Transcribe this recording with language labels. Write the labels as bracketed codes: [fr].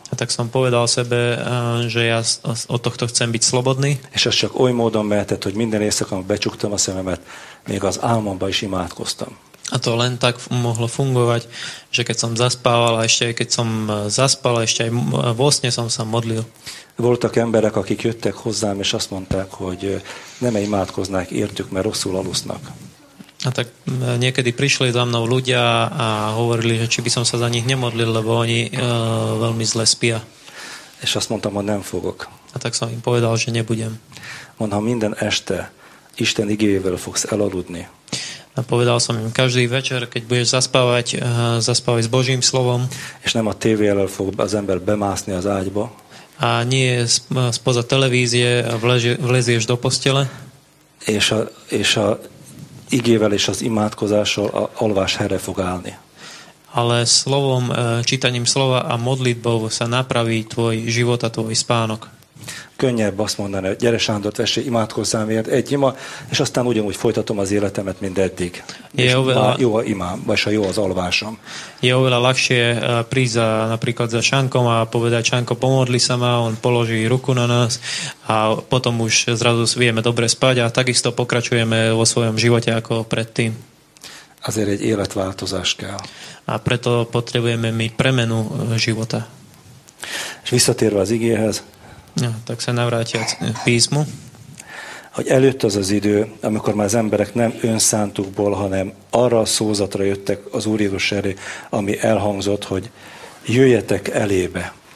[sk] A tak som povedal sebe, že ja od tohto chcem byť slobodný. [hu] És az csak oly módon mehetett, hogy minden éjszakon becsuktam a szememet, még az álmomban is imádkoztam. [sk] A to len tak mohlo fungovať, že keď som zaspával a ešte aj keď som zaspal, ešte aj vo sne som sa modlil. [hu] Voltak emberek, akik jöttek hozzám, és azt mondták, hogy nem imádkoznák értük, mert rosszul alusznak. [sk] A tak niekedy prišli za mnou ľudia a hovorili, že či by som sa za nich nemodlil, lebo oni veľmi zle spia. [hu] És azt mondtam, hogy nem fogok. [sk] A tak som im povedal, že nebudem. [hu] Mondom, minden este Isten igéjével fogsz elaludni. [sk] A povedal som im, každý večer, keď budeš zaspávať, zaspávaj s Božím slovom. [hu] És nem a tévéről fog az ember bemászni az ágyba. [sk] A nie spoza televízie vlezieš do postele. [hu] És a igével és az imádkozással a alvás helyre fog állni. [sk] Ale slovom, čítaním slova a modlitbou sa napraví tvoj život a tvoj spánok. [hu] Könnyebb azt mondani, hogy gyere Sándor, tessék, imádkozzám ért egy ima, és aztán ugyanúgy folytatom az életemet, mint eddig. Jó a imám, vagy ha jó az alvásom. [sk] Je oveľa ľahšie prísť napríklad za Šankom a povedať, Šanko, pomodli sa ma, on položí ruku na nás a potom už zrazu vieme dobre spať a takisto pokračujeme vo svojom živote ako predtým. [hu] Azért egy életváltozás kell. [sk] A preto potrebujeme my premenu života. [hu] És visszatérve az igéhez, [sk] ja, tak sa navrátia písmu. [hu] Hogy előtt az az idő, amikor már az emberek nem önszántukból, hanem arra a szózatra jöttek az Úr Jézus elé, ami elhangzott, hogy jöjjetek elébe.